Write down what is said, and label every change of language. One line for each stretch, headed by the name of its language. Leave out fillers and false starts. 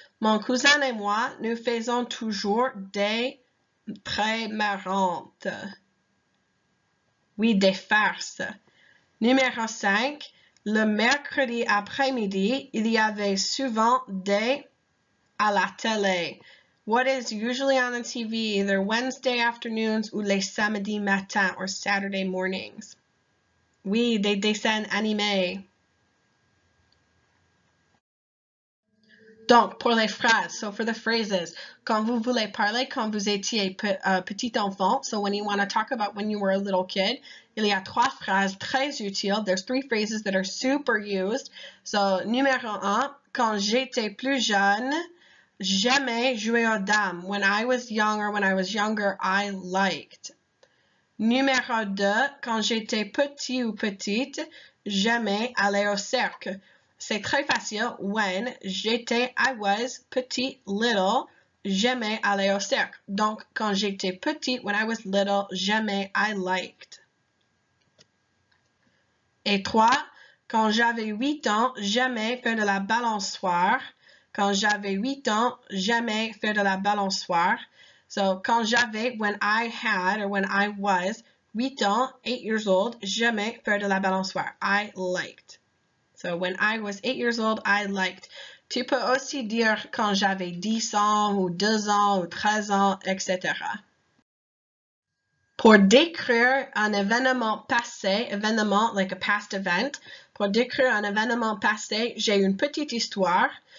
French: Mon cousin et moi, nous faisons toujours des très marrantes. Oui, des farces. Numéro 5. Le mercredi après-midi, il y avait souvent des à la télé.
English: What is usually on the TV, either Wednesday afternoons
French: ou les samedis matins
English: or Saturday mornings?
French: Oui, des dessins animés. Donc, pour les phrases,
English: so for the phrases,
French: quand vous voulez parler, quand vous étiez petit enfant,
English: so when you want to talk about when you were a little kid,
French: il y a trois phrases très utiles.
English: There's three phrases that are super used.
French: So, numéro un, quand j'étais plus jeune, j'aimais jouer aux dames.
English: When I was younger, when I was younger, I liked.
French: Numéro 2, quand j'étais petit ou petite, j'aimais aller au cercle. C'est très facile. When j'étais, I was, petit, little, j'aimais aller au cercle. Donc, quand j'étais petite,
English: when I was little,
French: j'aimais,
English: I liked.
French: Et 3, quand j'avais 8 ans, j'aimais faire de la balançoire. Quand j'avais 8 ans, j'aimais faire de la balançoire.
English: So,
French: quand j'avais,
English: when I had, or when I was, 8 ans, 8 years old,
French: j'aimais faire de la balançoire.
English: I liked. So when I was 8 years old, I liked.
French: Tu peux aussi dire quand j'avais 10 ans ou 2 ans ou 13 ans, etc. Pour décrire un événement passé, événement,
English: like a past event,
French: pour décrire un événement passé, j'ai une petite histoire.